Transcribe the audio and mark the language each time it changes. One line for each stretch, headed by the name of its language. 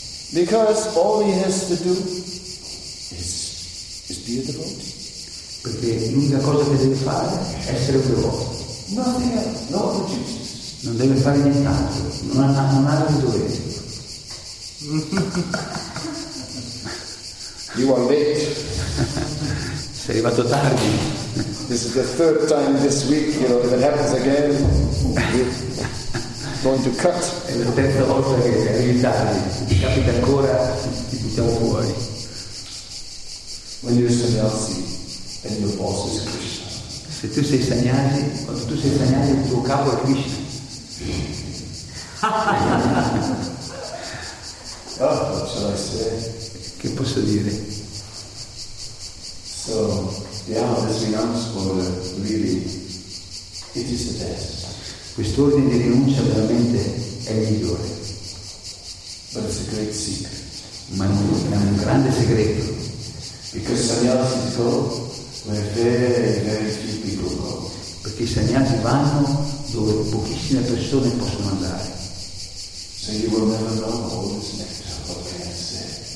English: Because all he has to do is be a devotee.
Italian: Perché l'unica cosa che deve fare è essere un devoto.
English: Nothing else, no opportunity.
Italian: Non deve fare nient'altro, non ha altri doveri.
English: You are late.
Italian: Sei arrivato tardi.
English: This is the third time this week, you know, if it happens again, we're going to cut.
Italian: È la terza volta che arrivi tardi. Se capita ancora, ti buttiamo fuori.
English: When you're sannyasi and your boss is Krishna.
Italian: Se tu sei sannyasi, quando tu sei sannyasi, il tuo capo è Krishna.
English: Oh, what shall I say?
Italian: Che posso dire?
English: So, yeah, this renounce order really, it is the best.
Italian: Quest'ordine di rinuncia veramente è il migliore.
English: But it's a great secret.
Italian: Ma è un grande segreto.
English: Because sannyasi go where very, very few people go.
Italian: Perché i sannyasi vanno dove pochissime persone possono andare.
English: So you will never know all this nectar, what can I say?